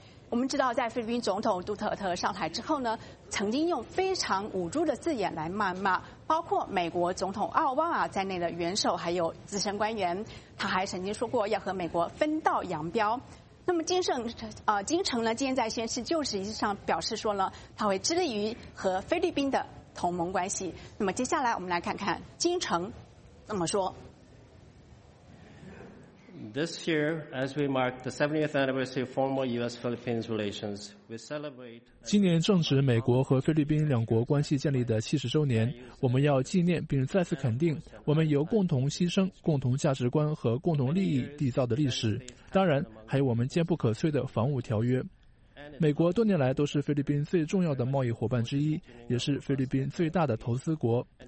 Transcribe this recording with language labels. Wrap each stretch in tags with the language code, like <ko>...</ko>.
<zh>我们知道，在菲律宾总统杜特尔特上台之后呢，曾经用非常侮辱的字眼来谩骂包括美国总统奥巴马在内的元首还有资深官员，他还曾经说过要和美国分道扬镳。那么金城呢，今天在宣誓就职仪式上表示说呢，他会致力于和菲律宾的同盟关系。那么接下来我们来看看金城怎么说。</zh> <en>This year, as we mark the 70th anniversary of formal U.S.-Philippines relations, we celebrate.</en> <zh>今年正值美国和菲律宾两国关系建立的70周年，我们要纪念并再次肯定我们由共同牺牲、共同价值观和共同利益缔造的历史。当然，还有我们坚不可摧的防务条约。美国多年来都是菲律宾最重要的贸易伙伴之一，也是菲律宾最大的投资国。</zh>